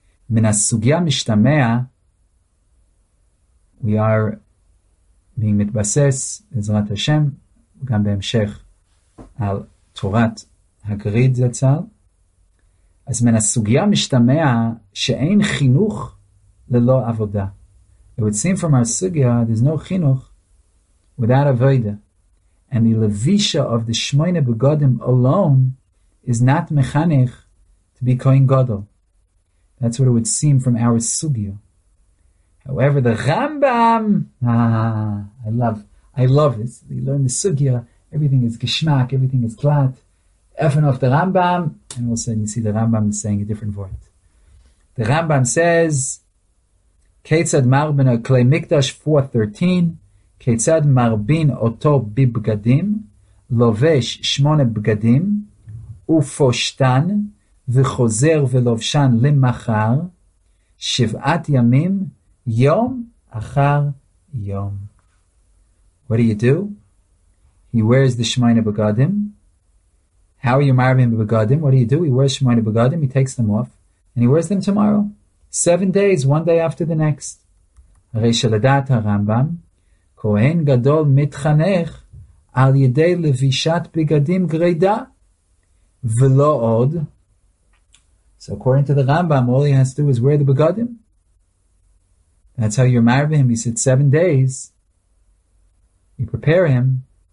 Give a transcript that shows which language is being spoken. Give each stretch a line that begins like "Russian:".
Hebrew: מן הסוגיה משתמע,
English: we are being
Hebrew: מתבסס, בעזרת השם, גם בהמשך, על תורת הגריד זצ"ל. אז מן הסוגיה משתמע שאין חינוך ללא עבודה.
English: It would seem from our sugya, there's no חינוך without avoda. And the levisha of the שמונה בגודם alone is not mechanich be Kohen Gadol. That's what it would seem from our sugya. However, the Rambam, I love this. We learn the sugya, everything is geschmack, everything is glat. Effen of the Rambam, and all of a sudden you see the Rambam is saying a different word. The Rambam says,
Hebrew: Ketzad marbin klei mikdash 4:13, Ketzad marbin oto bibgadim, lovesh shmone bgadim, ufoshtan, וחוזר ולובשן למחר, שבעת ימים, יום אחר יום.
English: What do you do? He wears the Shemayna Begadim. How are you marvin Begadim? What do? He wears Shemayna Begadim, he takes them off, and he wears them tomorrow. 7 days, one day after the next.
Hebrew: הרי שלדעת הרמב״ם, כהן גדול מתחנך על ידי לבישת בגדים גרידה, ולא עוד.
English: So according to the Rambam, all he has to do is wear the begadim. That's how you're married to him. He said 7 days. You prepare him.